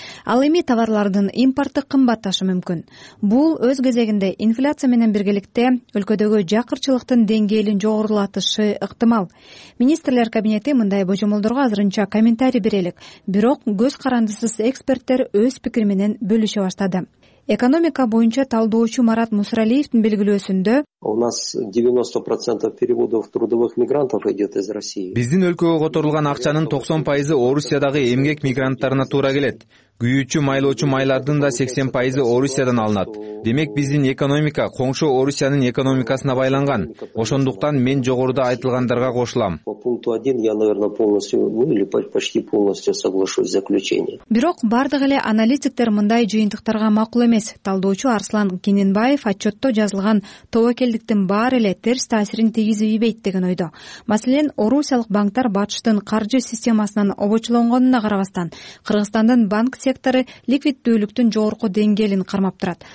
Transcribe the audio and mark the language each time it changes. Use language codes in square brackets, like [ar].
[ky] Ал эми товарлардын импорту кымбатташы мүмкүн. Бул өз кезегинде инфляция менен биргеликте өлкөдөгү жакырчылыктын деңгээлин жогорулатышы ыктымал. Министрлер кабинети мындай божомолдорго азырынча комментарий бере элек, бирок көз карандысыз эксперттер өз пикири менен бөлүшө баштады. Экономика боюнча талдоочу Марат Мусралиевдин белгилөөсүндө: [ru] У нас 90% переводов трудовых мигрантов идет из России. [ky] Биздин өлкөгө которулган акчанын 90% Орусиядагы эмгек мигранттарына туура келет. Күйүүчү, майлоочу майлардын да 80% Орусиядан алынат. Демек биздин экономика коңшу Орусиянын экономикасына байланган. Ошондуктан мен жогоруда айтылгандарга кошулам. [ru] По пункту 1 я, наверное, полностью, ну или почти полностью соглашусь с заключением. [ky] Бирок бардык эле аналитиктер мындай жыйынтыктарга макул эмес. Талдоочу Арслан Кененбаев отчетто жазылган тобокелдиктин баары эле терс таасирин тийгизбейт деген ойдо. Маселен, Орусиялык банктар батыштын каржы системасынан обочолонгонуна карабастан, Кыргызстандын банк сектору ликвиддүүлүктүн жогорку деңгээлин кармап турат.